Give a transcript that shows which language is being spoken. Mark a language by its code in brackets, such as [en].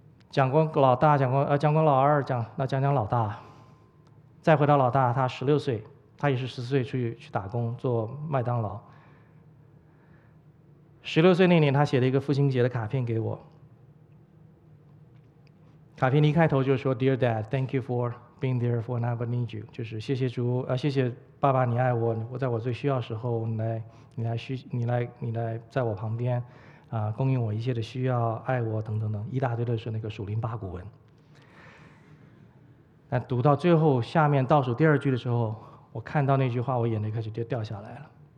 [zh] 讲过老大，讲过老二，讲老大，再回到老大，他16岁，他也是14岁去打工做麦当劳。 16岁那年，他写了一个父亲节的卡片给我。卡片一开头就说 [en] ：“Dear Dad, thank you for being there for whenever need you。” [zh] 就是谢谢主，谢谢爸爸，你爱我，我在我最需要的时候，你来在我旁边。供应我一切的需要，爱我等等等，一大堆的是那个属灵八股文。但读到最后下面倒数第二句的时候，我看到那句话，我眼泪开始就掉下来了。